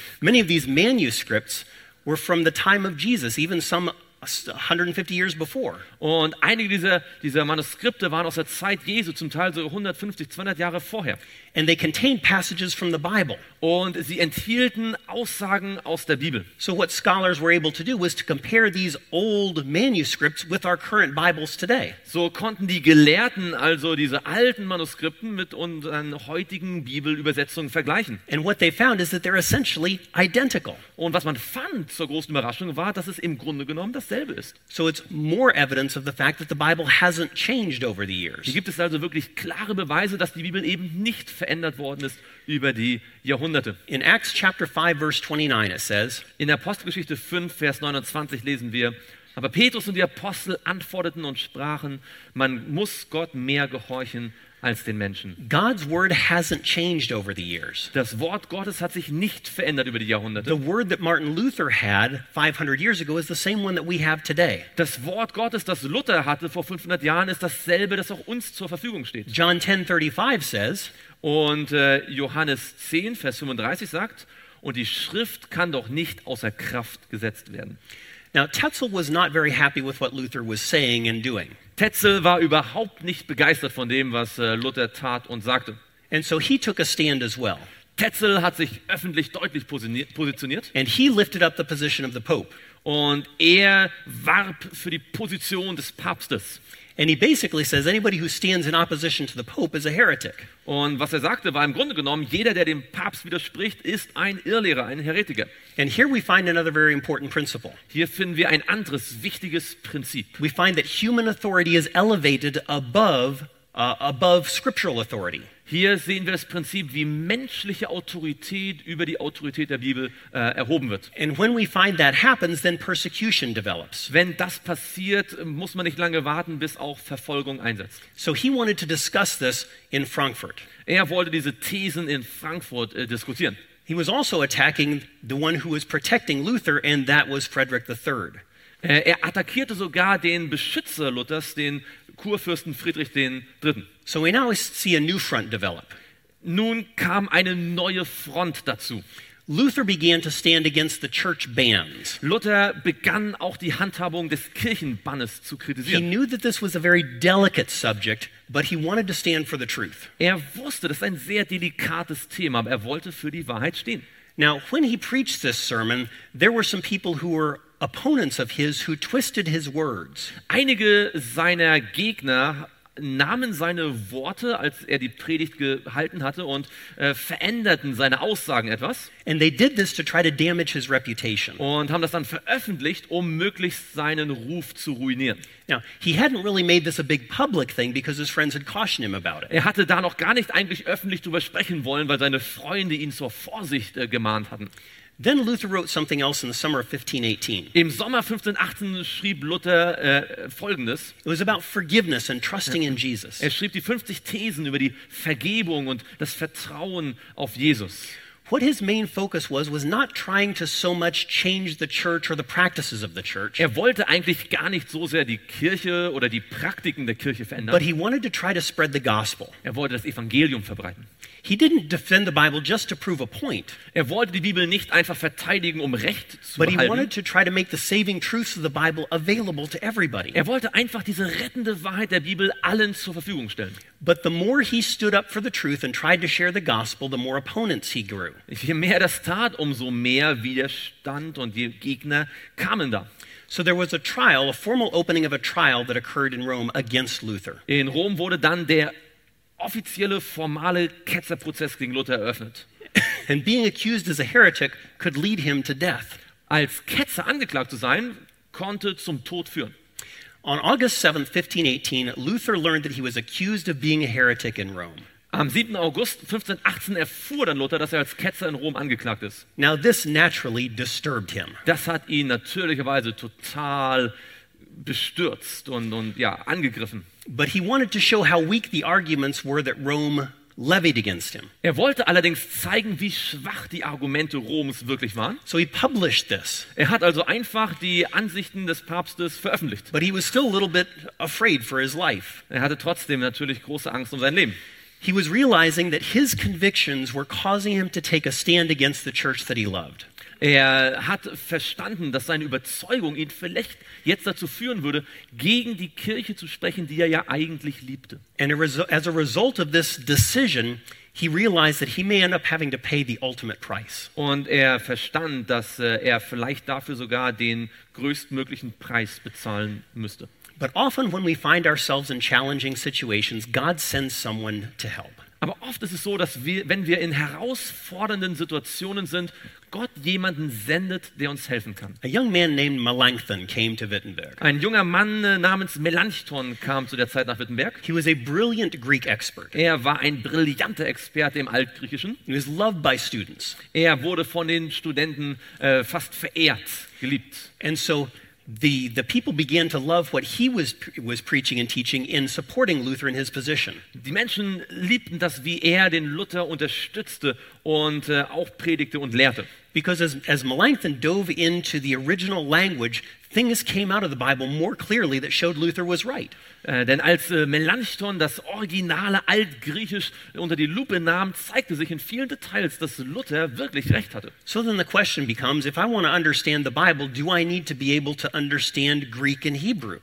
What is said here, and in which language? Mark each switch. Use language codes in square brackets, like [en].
[en] Many of these manuscripts were from the time of Jesus, even some 150 years before. [de] Und einige dieser Manuskripte waren aus der Zeit Jesu, zum Teil so 150, 200 Jahre vorher. [en] And they contained passages from the Bible. [de] Und sie enthielten Aussagen aus der Bibel. [en] So what scholars were able to do was to compare these old manuscripts with our current Bibles today. [de] So konnten die Gelehrten also diese alten Manuskripten mit unseren heutigen Bibelübersetzungen vergleichen. [en] And what they found is that they're essentially identical. [de] Und was man fand zur großen Überraschung war, dass es im Grunde genommen dasselbe ist. [en] So it's more evidence of the fact that the Bible hasn't changed over the years. [de] Hier gibt es also wirklich klare Beweise, dass die Bibel eben nicht verändert worden ist über die Jahrhunderte. [en] In Acts chapter 5 verse 29 it says, [de] in Apostelgeschichte 5 Vers 29 lesen wir, aber Petrus und die Apostel antworteten und sprachen, man muss Gott mehr gehorchen als den Menschen. [en] God's word hasn't changed over the years. [de] Das Wort Gottes hat sich nicht verändert über die Jahrhunderte. [en] The word that Martin Luther had 500 years ago is the same one that we have today. [de] Das Wort Gottes, das Luther hatte vor 500 Jahren, ist dasselbe, das auch uns zur Verfügung steht. [en] John 10:35 says, [de] und Johannes 10, Vers 35 sagt, und die Schrift kann doch nicht außer Kraft gesetzt werden. [en] Now Tetzel was not very happy with what Luther was saying and doing. [de] Tetzel war überhaupt nicht begeistert von dem, was Luther tat und sagte. [en] And so he took a stand as well. [de] Tetzel hat sich öffentlich deutlich positioniert. [en] And he lifted up the position of the Pope. [de] Und er warb für die Position des Papstes. [en] And he basically says anybody who stands in opposition to the Pope is a heretic. [de] Und was er sagte, war im Grunde genommen jeder, der dem Papst widerspricht, ist ein Irrlehrer, ein Heretiker. [en] And here we find another very important principle. [de] Hier finden wir ein anderes wichtiges Prinzip. [en] We find that human authority is elevated above scriptural authority. [de] Hier sehen wir das Prinzip, wie menschliche Autorität über die Autorität der Bibel erhoben wird. [en] And when we find that happens, then persecution develops. [de] Wenn das passiert, muss man nicht lange warten, bis auch Verfolgung einsetzt. [en] So he wanted to discuss this in Frankfurt. [de] Er wollte diese Thesen in Frankfurt diskutieren. [en] He was also attacking the one who was protecting Luther, and that was Frederick III. [de] Er attackierte sogar den Beschützer Luthers, den Kurfürsten Friedrich III. [en] So we now see a new front develop. [de] Nun kam eine neue Front dazu. [en] Luther began to stand against the church bans. [de] Luther begann auch die Handhabung des Kirchenbannes zu kritisieren. [en] He knew that this was a very delicate subject, but he wanted to stand for the truth. [de] Er wusste, das ist ein sehr delikates Thema, aber er wollte für die Wahrheit stehen. [en] Now, when he preached this sermon, there were some people who were opponents of his who twisted his words. [de] Einige seiner Gegner nahmen seine Worte, als er die Predigt gehalten hatte, und veränderten seine Aussagen etwas. [en] And they did this to try to damage his reputation. [de] Und haben das dann veröffentlicht, um möglichst seinen Ruf zu ruinieren. [en] Now, he hadn't really made this a big public thing because his friends had cautioned him about it. [de] Er hatte da noch gar nicht eigentlich öffentlich drüber sprechen wollen, weil seine Freunde ihn zur Vorsicht gemahnt hatten. [en] Then Luther wrote something else in the summer of 1518. [de] Im Sommer 1518 schrieb Luther Folgendes. [en] It was about forgiveness and trusting in Jesus. [de] Er schrieb die 50 Thesen über die Vergebung und das Vertrauen auf Jesus. [en] What his main focus was not trying to so much change the church or the practices of the church. [de] Er wollte eigentlich gar nicht so sehr die Kirche oder die Praktiken der Kirche verändern. [en] But he wanted to try to spread the gospel. [de] Er wollte das Evangelium verbreiten. [en] He didn't defend the Bible just to prove a point. [de] Er wollte die Bibel nicht einfach verteidigen, um Recht zu behalten. [en] But he wanted to try to make the saving truths of the Bible available to everybody. [de] Er wollte einfach diese rettende Wahrheit der Bibel allen zur Verfügung stellen. [en] But the more he stood up for the truth and tried to share the gospel, the more opponents he grew. [de] Je mehr das tat, umso mehr Widerstand und die Gegner kamen da. [en] So there was a trial, a formal opening of a trial that occurred in Rome against Luther. [de] In Rom wurde dann der offizielle formale Ketzerprozess gegen Luther eröffnet. [en] And being accused as a heretic could lead him to death. [de] Als Ketzer angeklagt zu sein, konnte zum Tod führen. [en] On August 7, 1518, Luther learned that he was accused of being a heretic in Rome. [de] Am 7. August 1518 erfuhr dann Luther, dass er als Ketzer in Rom angeklagt ist. [en] Now this naturally disturbed him. [de] Das hat ihn natürlicherweise total bestürzt und ja, angegriffen. [en] But he wanted to show how weak the arguments were that Rome levied against him. [de] Er wollte allerdings zeigen, wie schwach die Argumente Roms wirklich waren. [en] So he published this. [de] Er hat also einfach die Ansichten des Papstes veröffentlicht. [en] But he was still a little bit afraid for his life. [de] Er hatte trotzdem natürlich große Angst um sein Leben. [en] He was realizing that his convictions were causing him to take a stand against the church that he loved. [de] Er hat verstanden, dass seine Überzeugung ihn vielleicht jetzt dazu führen würde, gegen die Kirche zu sprechen, die er ja eigentlich liebte. [en] And as a result of this decision, he realized that he may end up having to pay the ultimate price. [de] Und er verstand, dass er vielleicht dafür sogar den größtmöglichen Preis bezahlen müsste. [en] But often when we find ourselves in challenging situations, God sends someone to help. [de] Aber oft ist es so, dass wir, wenn wir in herausfordernden Situationen sind, Gott jemanden sendet, der uns helfen kann. [en] A young man named Melanchthon came to Wittenberg. [de] Ein junger Mann namens Melanchthon kam zu der Zeit nach Wittenberg. [en] He was a brilliant Greek expert. [de] Er war ein brillanter Experte im Altgriechischen. [en] He was loved by students. [de] Er wurde von den Studenten fast verehrt, geliebt. [en] And so the people began to love what he was preaching and teaching in supporting Luther in his position. [de] Die Menschen liebten das, wie er den Luther unterstützte und auch predigte und lehrte. [en] Because as Melanchthon dove into the original language, things came out of the Bible more clearly that showed Luther was right. [de] Denn als Melanchthon das originale Altgriechisch unter die Lupe nahm, zeigte sich in vielen Details, dass Luther wirklich recht hatte. [en] So then the question becomes, if I want to understand the Bible, do I need to be able to understand Greek and Hebrew?